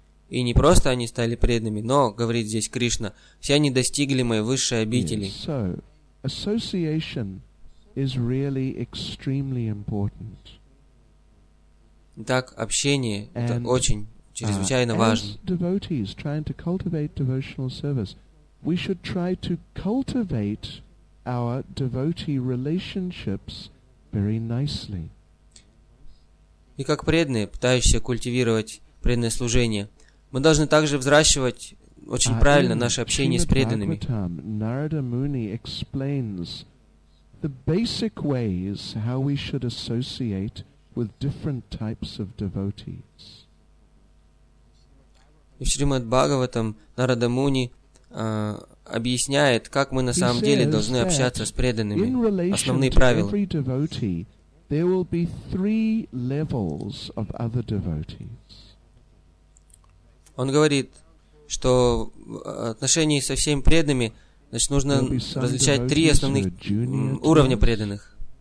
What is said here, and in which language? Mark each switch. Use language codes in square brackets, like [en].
[ru] И не просто они стали преданными, но, говорит здесь Кришна, все они достигли моей высшей обители. [en] Yes. So, association is really extremely important. [ru] Так, общение — это очень, чрезвычайно важно. [en] As devotees trying to cultivate devotional service, we should try to cultivate our devotee relationships very nicely. [ru] И как преданные, пытающиеся культивировать преданное служение, мы должны также взращивать очень правильно наше общение с преданными. [en] Нарада Муни explains the basic ways how we should associate with different types of devotees. [ru] В Шримад-Бхагаватам Нарада Муни объясняет, как мы на самом деле должны общаться с преданными. Основные правила. [en] There will be three levels of other devotees. [ru] Он говорит, что в отношении со всеми преданными, значит, нужно различать три основных уровня преданных.